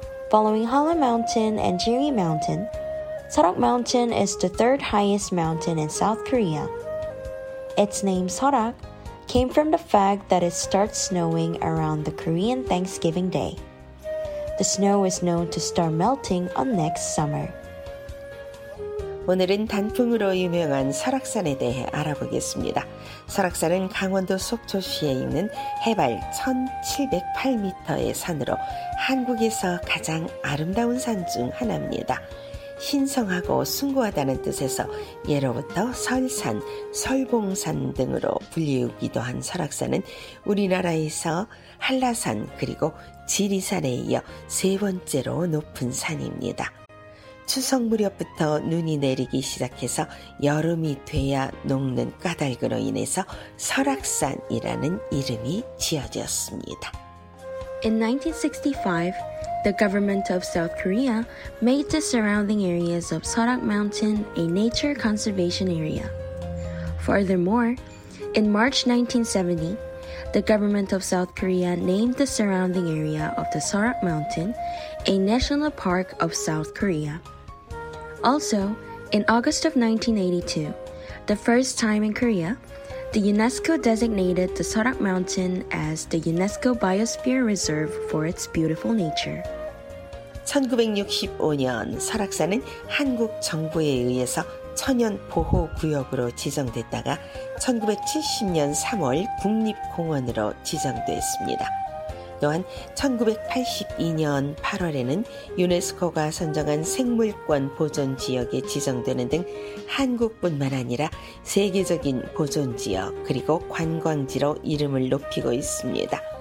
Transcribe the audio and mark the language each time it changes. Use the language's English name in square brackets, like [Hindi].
[English] Following Hala Mountain and Jiri Mountain, Sarak Mountain is the third highest mountain in South Korea. Its name Sarak came from the fact that it starts snowing around the Korean Thanksgiving Day. The snow is known to start melting on next summer. [Korean] 오늘은 단풍으로 유명한 설악산에 대해 알아보겠습니다. 설악산은 강원도 속초시에 있는 해발 1,708m의 산으로 한국에서 가장 아름다운 산 중 하나입니다. 신성하고 숭고하다는 뜻에서 예로부터 설산, 설봉산 등으로 불리우기도 한 설악산은 우리나라에서 한라산 그리고 지리산에 이어 세 번째로 높은 산입니다. 추석 무렵부터 눈이 내리기 시작해서 여름이 돼야 녹는 까닭으로 인해서 설악산이라는 이름이 지어졌습니다. [English] In 1965, the government of South Korea made the surrounding areas of Sarak Mountain a nature conservation area. Furthermore, in March 1970, the government of South Korea named the surrounding area of the Sarak Mountain a national park of South Korea. Also, in August of 1982, the first time in Korea, the UNESCO designated the Sarak Mountain as the UNESCO Biosphere Reserve for its beautiful nature. [Korean] 1965년 설악산은 한국 정부에 의해서 천연 보호 구역으로 지정됐다가 1970년 3월 국립공원으로 지정됐습니다. 또한 1982년 8월에는 유네스코가 선정한 생물권 보존지역에 지정되는 등 한국뿐만 아니라 세계적인 보존지역 그리고 관광지로 이름을 높이고 있습니다.